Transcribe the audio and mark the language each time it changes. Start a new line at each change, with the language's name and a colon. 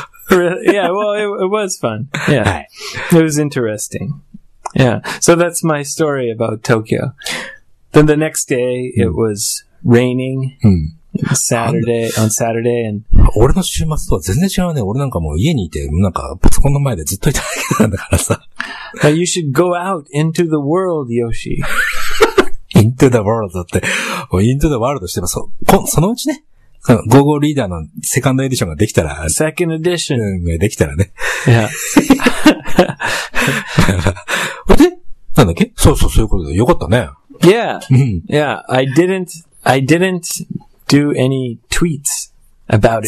English: Really? Yeah, well, it was fun. Yeah. It was interesting. Yeah. So that's my story about Tokyo. Then the next day, it was raining. Saturday, on Saturday, and.
Japanese: 俺の週末とは全然違うね。俺なんかもう家にいて、なんかパソコンの前でずっといただけなんだからさ。
English: But you should go out into the world, Yoshi. Into the world
Japanese: だって。Into the world してば、そのうちね。ゴーゴーリーダーのセカンドエディションができたら。セカンドエディション。できたらね。
English: Yeah.
Japanese: え、で、なんだっけ？そうそう、そういうことで。よかったね。
English: Yeah. Yeah. I didn't do any tweets about it.